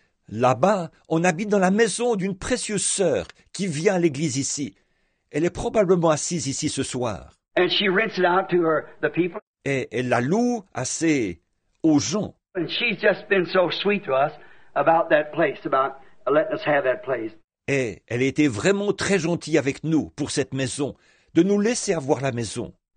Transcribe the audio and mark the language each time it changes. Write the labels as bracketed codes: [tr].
[fr] Là-bas, on habite dans la maison d'une précieuse sœur qui vient à l'église ici. Elle est probablement assise ici ce soir. [en] And she rents it out to the people. [fr] Et elle la loue à ses... aux gens. [en] And she's just been so sweet to us about that place, about letting us have that place. [fr] Et elle a été vraiment très gentille avec nous pour cette maison, de nous laisser avoir la maison.